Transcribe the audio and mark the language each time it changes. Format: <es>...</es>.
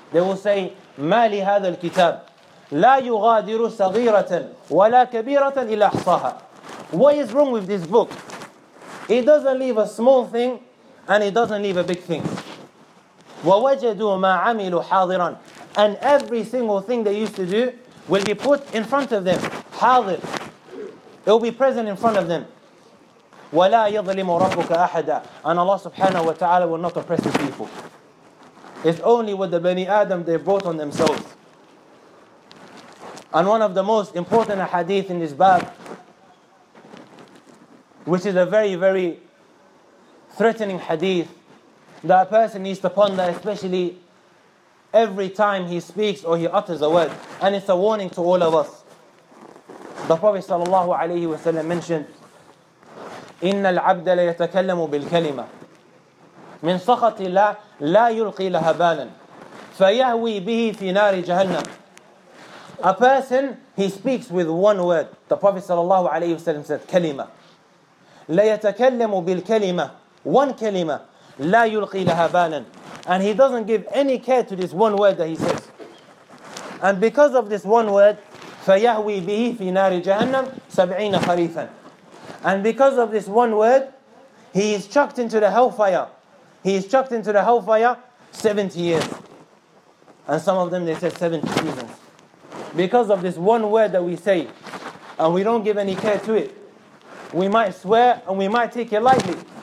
<en>They will say,</en> <ar>مَا لِهَذَا الْكِتَابِ لَا يُغَادِرُ صَغِيرَةً وَلَا كَبِيرَةً إِلَّا أَحْصَاهَا.</ar> <en>What is wrong with this book? It doesn't leave a small thing and it doesn't leave a big thing.</en> <ar>وَوَجَدُوا مَا عَمِلُوا حَاضِرًا.</ar> <en>And every single thing they used to do will be put in front of them.</en> <ar>حَاضِر.</ar> <en>It will be present in front of them.</en> <ar>وَلَا يَظْلِمُ رَبُّكَ أَحَدًا.</ar> <en>And Allah subhanahu wa ta'ala will not oppress the people. It's only what the Bani Adam they brought on themselves. And one of the most important hadith in this bab, which is a very, very threatening hadith that a person needs to ponder, especially every time he speaks or he utters a word. And it's a warning to all of us. The Prophet sallallahu alayhi wa sallam mentioned,</en> <ar>إِنَّ الْعَبْدَ لَيَتَكَلَّمُ بِالْكَلِمَةِ مِنْ سَخَطِ اللَّهِ لَا يُلْقِي لَهَا بَالًا فَيَهْوِي بِهِ فِي نَارِ جَهَنَّمِ.</ar> <en>A person, he speaks with one word. The Prophet sallallahu alayhi wa sallam said, كلمة.</en> <ar>لَيَتَكَلَّمُ بِالْكَلِمَةِ.</ar> <en>One kalima.</en> <ar>لَا يُلْقِي لَهَا بَالًا.</ar> <en>And he doesn't give any care to this one word that he says. And because of this one word,</en> <ar>فَيَهْوِي بِهِ فِي نَارِ جَهَنَّمْ سَبْعِينَ خَرِيفًا.</ar> <en>And because of this one word, he is chucked into the hellfire. He is chucked into the hellfire 70 years. And some of them, they said 70 seasons. Because of this one word that we say, and we don't give any care to it, we might swear and we might take it lightly.</en>